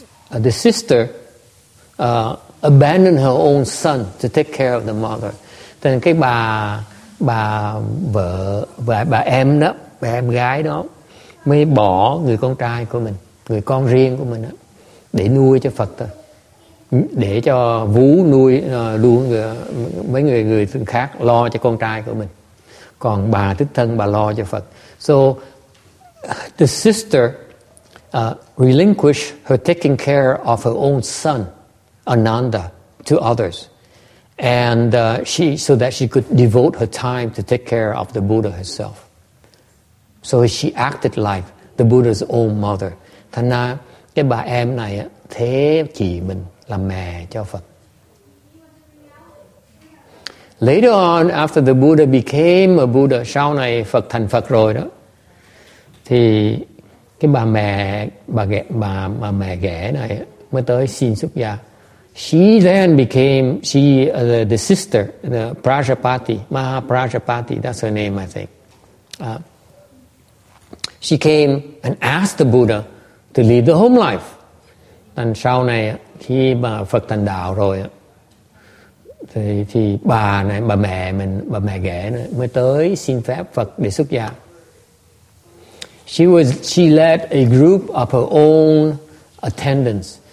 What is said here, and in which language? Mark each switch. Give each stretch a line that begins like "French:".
English: The sister abandoned her own son to take care of the mother.
Vietnamese: Thế nên cái bà vợ và bà em đó, bà em gái đó mới bỏ người con trai của mình, người con riêng của mình đó, để nuôi cho Phật thôi, để cho vú nuôi luôn mấy người khác lo cho con trai của mình, còn bà thích thân bà lo cho Phật.
English: So the sister relinquish her taking care of her own son, Ananda, to others, and so that she could devote her time to take care of the Buddha herself. So she acted like the Buddha's own mother.
Vietnamese: Thành ra cái bà em này thế chị mình là mẹ cho Phật.
English: Later on, after the Buddha became a Buddha,
Vietnamese: sau này Phật thành Phật rồi đó, thì cái bà mẹ ghẻ này mới tới xin xuất gia.
English: She then became the sister, the Prajapati, Maha Prajapati, that's her name, I think. She came and asked the Buddha to lead the home life.
Vietnamese: Anh sau này khi mà Phật thành đạo rồi thì bà này, bà mẹ mình, bà mẹ ghẻ này, mới tới xin phép Phật để xuất gia.
English: She led a group of her own attendants.